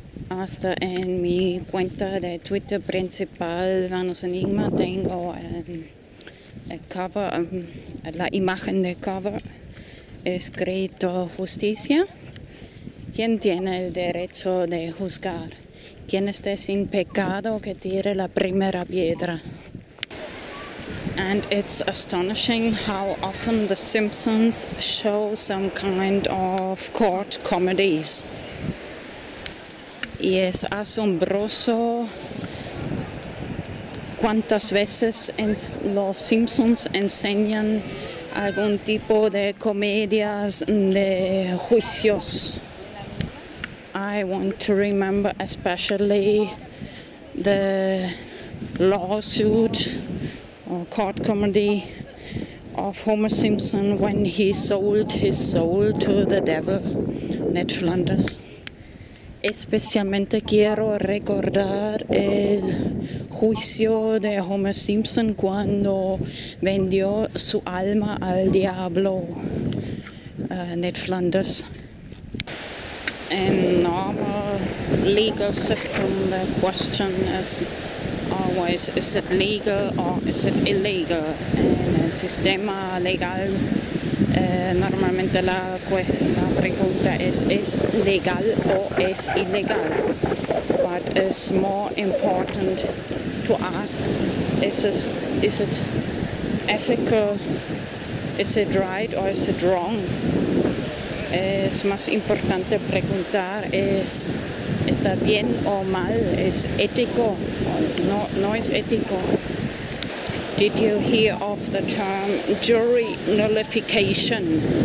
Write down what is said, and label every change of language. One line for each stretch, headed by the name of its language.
Spanish: Hasta en mi cuenta de Twitter principal, Vanos Enigma, tengo la imagen de cover escrito justicia. ¿Quién tiene el derecho de juzgar? ¿Quién esté sin pecado que tire la primera piedra?
English: And it's astonishing how often The Simpsons show some kind of court comedies.
Spanish: Y es asombroso cuántas veces los Simpsons enseñan algún tipo de comedias de juicios.
English: I want to remember especially the lawsuit or court comedy of Homer Simpson when he sold his soul to the devil, Ned Flanders.
Spanish: Especialmente quiero recordar el juicio de Homer Simpson cuando vendió su alma al diablo, Ned Flanders.
English: In normal legal system, the question is always, is it legal or is it illegal?
Spanish: En el sistema legal, normalmente la pregunta es legal o es ilegal?
English: But it's more important to ask, is it ethical, is it right or is it wrong?
Spanish: es más importante preguntar es, ¿está bien o mal? ¿Es ético? No es ético.
English: Did you hear of the term jury nullification?